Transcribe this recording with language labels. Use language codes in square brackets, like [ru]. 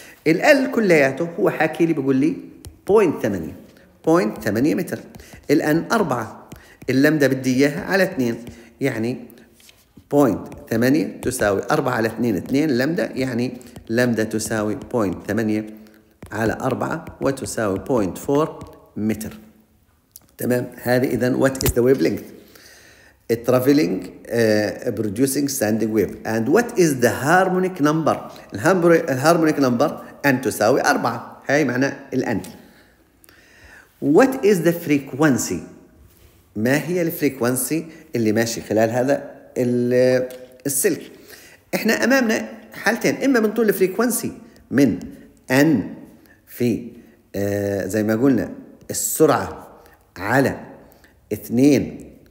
[ar] الL كلياته هو حاكي لي بيقول لي 0.8 متر، الآن 4، اللمدة بدي إياها على 2، يعني 0.8 تساوي 4 على 2 2 لمدة، يعني لمدة تساوي 0.8 على 4 وتساوي 0.4 متر. تمام، هذه إذن [en] what is the wavelength a traveling producing standing wave and what is the harmonic number. [ar] الهارمونيك نمبر N تساوي 4، هاي معنى الآن. [en] What is the frequency؟ [ar] ما هي الفريكوانسي اللي ماشي خلال هذا السلك؟ احنا امامنا حالتين، اما بنطول الفريكوانسي من N في زي ما قلنا السرعة على 2